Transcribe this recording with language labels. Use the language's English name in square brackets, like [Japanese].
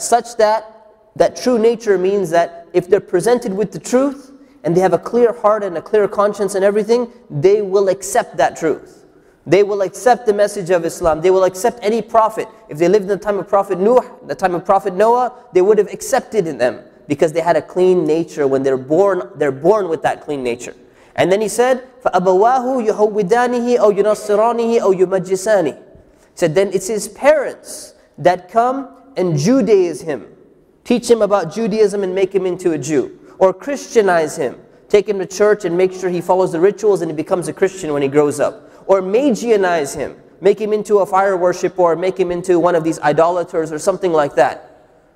[English] Such that true nature means that if they're presented with the truth and they have a clear heart and a clear conscience and everything, they will accept that truth. They will accept the message of Islam. They will accept any prophet. If they lived in the time of Prophet Nuh, the time of Prophet Noah, they would have accepted in them because they had a clean nature. When they're born, they're born with that clean nature. And then he said, [Arabic] فَأَبَوَاهُ يُهَوِّدَانِهِ أَوْ يُنَصِّرَانِهِ أَوْ يُمَجِّسَانِهِ. [English] He said, then it's his parents that come and Judaize him, teach him about Judaism and make him into a Jew, or Christianize him, take him to church and make sure he follows the rituals and he becomes a Christian when he grows up. Or magianize him, make him into a fire worshipper, or make him into one of these idolaters or something like that.